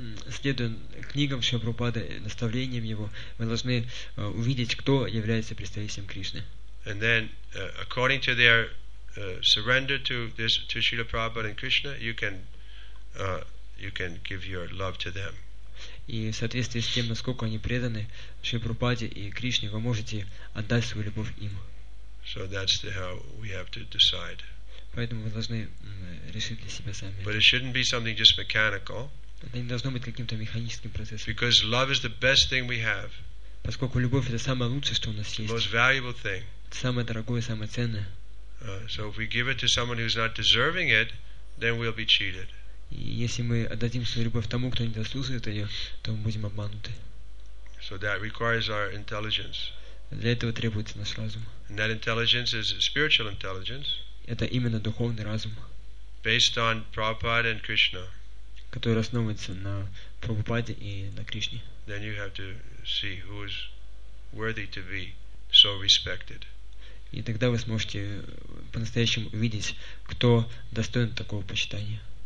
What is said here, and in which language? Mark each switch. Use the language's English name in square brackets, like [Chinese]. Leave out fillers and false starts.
[Russian] Следуя книгам Шрила Прабхупады, наставлениям его, мы должны увидеть, кто является представителем Кришны. [English] And then, according to their surrender to this to Srila Prabhupada and Krishna, you can give your love to them. [Russian] И в соответствии с тем, насколько они преданы Шрила Прабхупаде и Кришне, вы можете отдать свою любовь им. [English] So that's how we have to decide. [Russian] Поэтому мы должны решить для себя сами. [English] But it shouldn't be something just mechanical. [Russian] Это не должно быть каким-то механическим процессом. [English] Because love is the best thing we have. [Russian] Поскольку любовь это самое лучшее, что у нас есть. [English] Most valuable thing. [Russian] Самое дорогое, самое ценное. [English] So if we give it to someone who's not deserving it, then we'll be cheated. [Russian] И если мы отдадим свою любовь тому, кто не заслуживает ее, то мы будем обмануты. [English] So that requires our intelligence. [Russian] Для этого требуется наш разум. [English] And that intelligence is spiritual intelligence. [Russian] Это именно духовный разум, [English] based on Prabhupada and Krishna, [Russian] который основывается на Прабхупаде и на Кришне. [English] Then you have to see who is worthy to be so respected. [Russian] И тогда вы сможете по-настоящему увидеть, кто достоин такого почитания.